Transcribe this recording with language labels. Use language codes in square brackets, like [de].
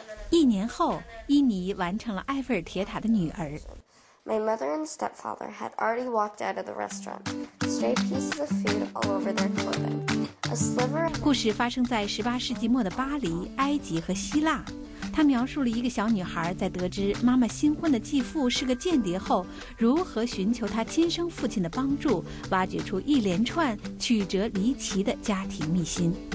[zh] 一年后，依妮完成了埃菲尔铁塔的女儿。 [en] My mother and stepfather had already walked out of the restaurant. Stray pieces of food all over their clothing. A sliver. [zh] 故事发生在18世纪末的巴黎、埃及和希腊。它描述了一个小女孩在得知妈妈新婚的继父是个间谍后，如何寻求她亲生父亲的帮助，挖掘出一连串曲折离奇的家庭秘辛。